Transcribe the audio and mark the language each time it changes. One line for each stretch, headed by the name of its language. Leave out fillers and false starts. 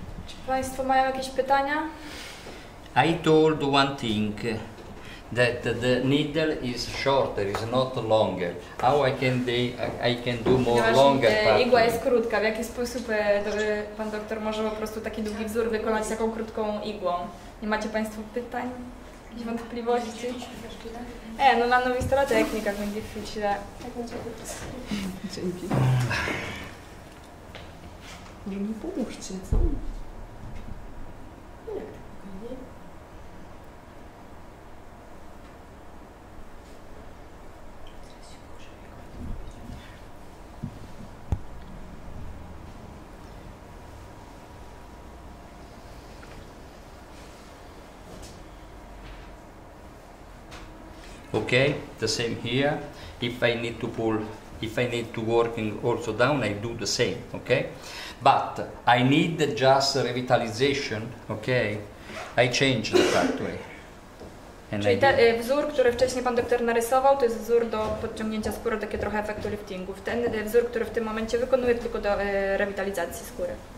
Polish: Ci Państwo mają jakieś pytania?
English: I told one thing. that the needle is shorter, is not longer. How I can they I can do more longer part?
Polish: Igła jest krótka. W jaki sposób pan doktor może po prostu taki długi wzór wykonać taką krótką igłą? Nie macie państwo pytań? Jakieś wątpliwości? No na nowej stronie technika będzie chwilę. Dzięki. Może mi pomóżcie, co?
English: Okay, the same here. If I need to working also down, I do the same, okay? But I need just revitalization, okay? I change the pathway.
Polish: Czyli wzór, który wcześniej pan doktor narysował, to jest wzór do podciągnięcia skóry, takie trochę efektu liftingu. Ten wzór, który w tym momencie wykonuje, tylko do rewitalizacji skóry.